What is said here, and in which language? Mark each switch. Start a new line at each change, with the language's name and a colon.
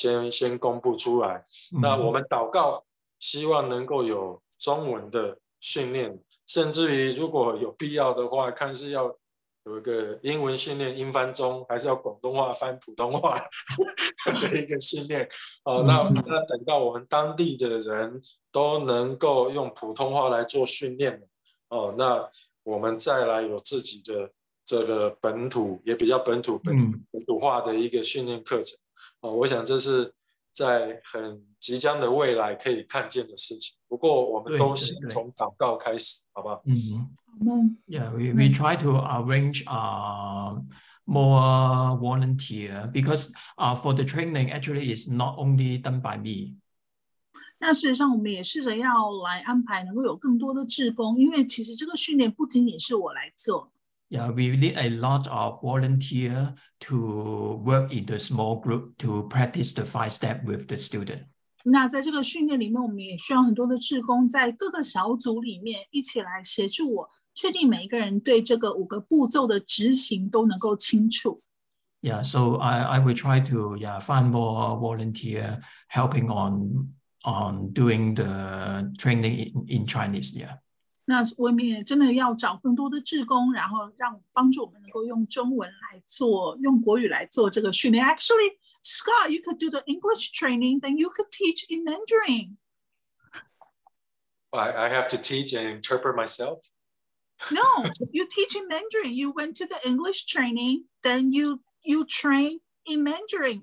Chinese: 先公布出来那我们祷告希望能够有中文的训练，甚至于如果有必要的话，看是要有一个英文训练英翻中，还是要广东话翻普通话的一个训练那等到我们当地的人都能够用普通话来做训练那我们再来有自己的这个本土也比较本土化的一个训练课程我想这是在很即将的未来可以看见的事情，不过我们都是从祷告开始，好不好？
English: Yeah, we try to arrange more volunteer because for the training actually is not only done by me.
Chinese: 那事实上，我们也试着要来安排能够有更多的志工，因为其实这个训练不仅仅是我来做。
English: Yeah, we need a lot of volunteer to work in the small group to practice the 5-step with the student.
Chinese: 那在这个训练里面，我们也需要很多的志工在各个小组里面一起来协助我，确定每一个人对这个五个步骤的执行都能够清楚。
English: Yeah, so I will try to find more volunteer helping on doing the training in Chinese. Yeah.
Chinese: 那我们也真的要找更多的志工，然后让帮助我们能够用中文来做，用国语来做这个训练。
English: Actually, Scott, you could do the English training, then you could teach in Mandarin. I have to teach and interpret myself? No, you teach in Mandarin. You went to the English training, then you train in Mandarin.